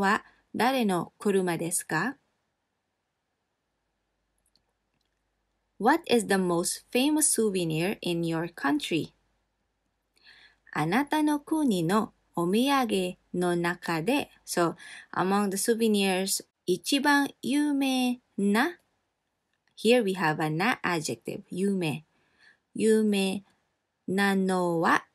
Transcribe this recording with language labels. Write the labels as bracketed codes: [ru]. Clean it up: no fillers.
[ja] 家の前に止めてあるのは誰の車ですか? [en] What is the most famous souvenir in your country? [ja] あなたの国のお土産の中で [en] So, among the souvenirs, [ja] 一番有名な [en] Here we have a な adjective, [ja] 有名なのは